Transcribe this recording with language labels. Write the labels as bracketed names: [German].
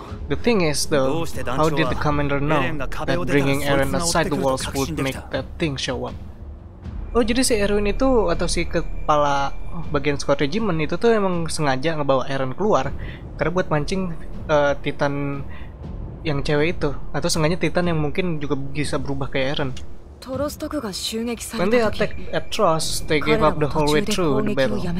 [English] The thing is though, how did the commander know that bringing Eren aside the walls would make that thing show up? [Indonesian] Oh, jadi si Erwin itu, atau si kepala bagian squad regiment itu tuh emang sengaja ngebawa Eren keluar karena buat mancing titan yang cewek itu, atau sengaja titan yang mungkin juga bisa berubah kayak Eren. [English] When they attacked Atros, they gave up the whole way through the battle.